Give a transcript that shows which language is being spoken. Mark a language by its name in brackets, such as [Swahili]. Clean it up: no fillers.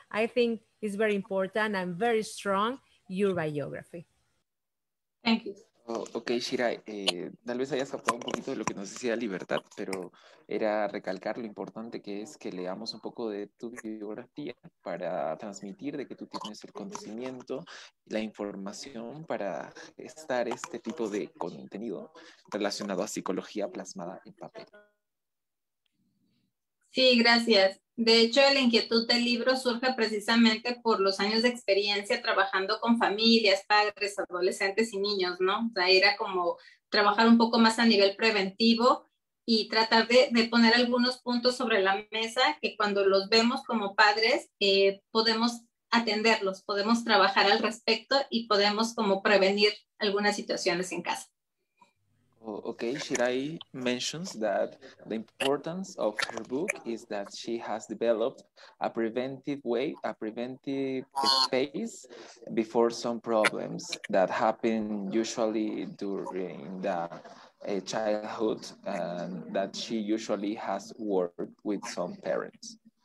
[English] I think it's very important and very strong, your biography. Thank you. [Spanish] Ok, Shira, tal vez hayas captado un poquito de lo que nos decía Libertad, pero era recalcar lo importante que es que leamos un poco de tu biografía para transmitir de que tú tienes el conocimiento, la información para estar este tipo de contenido relacionado a psicología plasmada en papel. Sí, gracias. De hecho, la inquietud del libro surge precisamente por los años de experiencia trabajando con familias, padres, adolescentes y niños, ¿no? O sea, era como trabajar un poco más a nivel preventivo y tratar de poner algunos puntos sobre la mesa que cuando los vemos como padres podemos atenderlos, podemos trabajar al respecto y podemos como prevenir algunas situaciones en casa. [English] Okay, Shirai mentions that the importance of her book is that she has developed a preventive way, a preventive space before some problems that happen usually during the childhood, and that she usually has worked with some parents.